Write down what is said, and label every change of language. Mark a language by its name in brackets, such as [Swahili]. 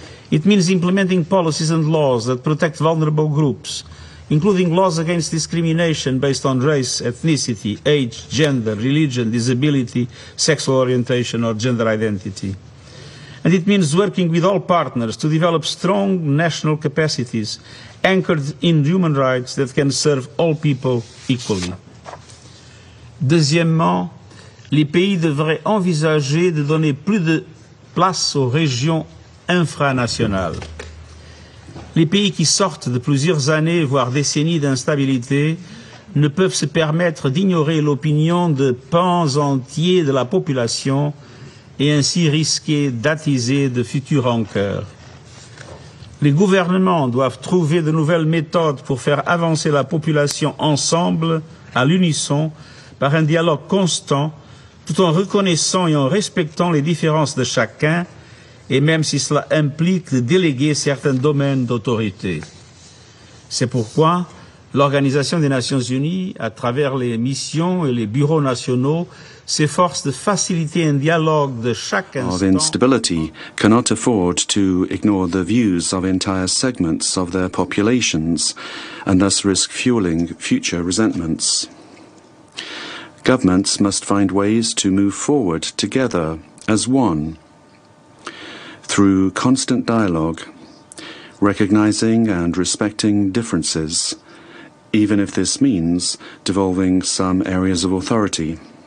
[English] It means implementing policies and laws that protect vulnerable groups, including laws against discrimination based on race, ethnicity, age, gender, religion, disability, sexual orientation, or gender identity. And it means working with all partners to develop strong national capacities anchored in human rights that can serve all people equally. [French] Deuxièmement, les pays devraient envisager de donner plus de place aux régions infranationales. Les pays qui sortent de plusieurs années, voire décennies d'instabilité, ne peuvent se permettre d'ignorer l'opinion de pans entiers de la population et ainsi risquer d'attiser de futures rancœurs. Les gouvernements doivent trouver de nouvelles méthodes pour faire avancer la population ensemble, à l'unisson, par un dialogue constant, tout en reconnaissant et en respectant les différences de chacun, et même si cela implique de déléguer certains domaines d'autorité. C'est pourquoi l'Organisation des Nations Unies, à travers les missions et les bureaux nationaux, s'efforce de faciliter un dialogue de chaque instant. [English] Of instability cannot afford to ignore the views of entire segments of their populations and thus risk fueling future resentments. Governments must find ways to move forward together as one through constant dialogue, recognizing and respecting differences, even if this means devolving some areas of authority.